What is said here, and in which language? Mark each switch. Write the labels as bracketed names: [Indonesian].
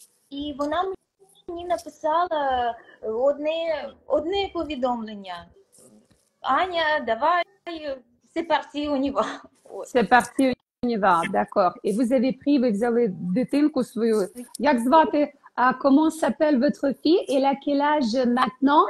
[Ukrainian] І вона мені написала одне повідомлення. Аня, давай, [French] c'est parti, on y va. C'est parti, on y va, d'accord. Et vous avez pris, [Ukrainian] ви взяли дитинку свою, як звати? [French] Comment s'appelle votre fille? Elle a quel âge maintenant?